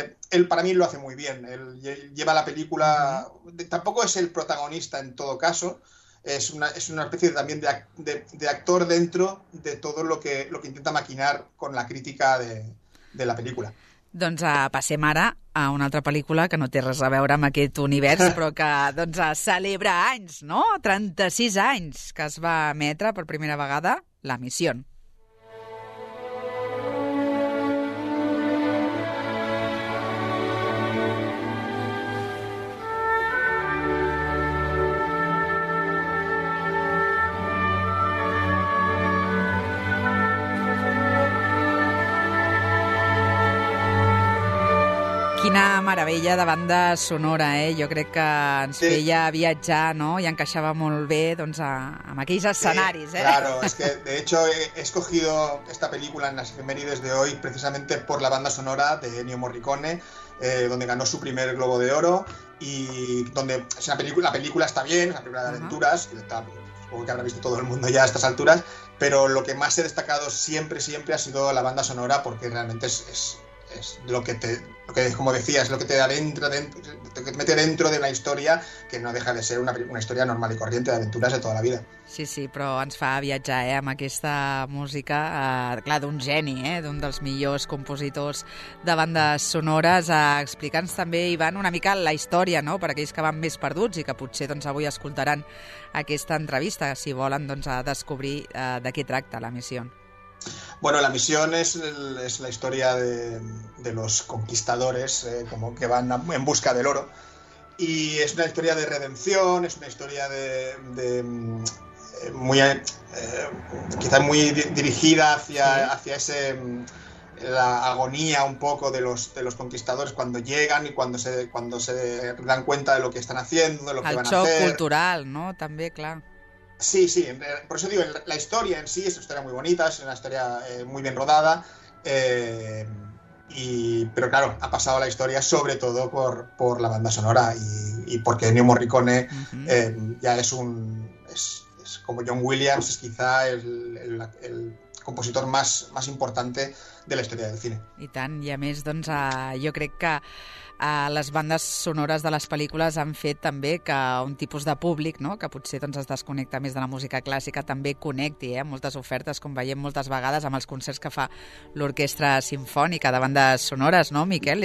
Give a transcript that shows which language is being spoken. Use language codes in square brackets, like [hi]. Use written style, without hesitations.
[es] Él para mí lo hace muy bien. Él lleva la película. Tampoco es el protagonista en todo caso. Es una especie también de actor dentro de todo lo que intenta maquinar con la crítica de la película. [ca] Doncs passem ara a una altra pel·lícula que no té res a veure amb aquest univers, però que doncs, celebra anys, no? 36 anys que es va emetre per primera vegada La Missió. Quina meravella de banda sonora, eh? Jo crec que ens feia viatjar, no? I encaixava molt bé, doncs, amb aquells escenaris, [es] sí, claro, es que, de hecho, he escogido esta película en las efemérides de hoy precisamente por la banda sonora de Ennio Morricone, donde ganó su primer Globo de Oro y donde es una película, la película está bien, es una película de aventuras, supongo que habrá visto todo el mundo ya a estas alturas, pero lo que más he destacado siempre ha sido la banda sonora porque realmente es es lo que te, lo que, como decía, es lo que te adentra, te mete dentro de una historia que no deja de ser una historia normal i corriente [ca] d'aventures de tota la vida. Sí, sí, però ens fa viatjar, amb aquesta música, clar, d'un geni, d'un dels millors compositors de bandes sonores. Explica'ns també, Ivan, una mica la història, no?, per aquells que van més perduts i que potser doncs, avui escoltaran aquesta entrevista, si volen doncs, a descobrir de què tracta la missió. [es] Bueno, la misión es la historia de los conquistadores, como que van en busca del oro. Y es una historia de redención, es una historia de muy, quizás muy dirigida hacia ese, la agonía un poco de los conquistadores cuando llegan y cuando se dan cuenta de lo que están haciendo, de lo que van a hacer. El shock cultural, ¿no? También, claro. Sí, sí, por eso digo, la historia en sí es una historia muy bonita, es una historia muy bien rodada, pero claro, ha pasado la historia sobre todo por la banda sonora y porque Ennio Morricone ya es un, es como John Williams, es quizá el compositor más importante de la historia del cine. [ca] I tant, i a més, doncs, jo crec que les bandes sonores de les pel·lícules han fet també que un tipus de públic, no?, que potser doncs, es desconnecta més de la música clàssica, també connecti amb moltes ofertes, com veiem moltes vegades amb els concerts que fa l'Orquestra Simfònica de bandes sonores, no, Miquel?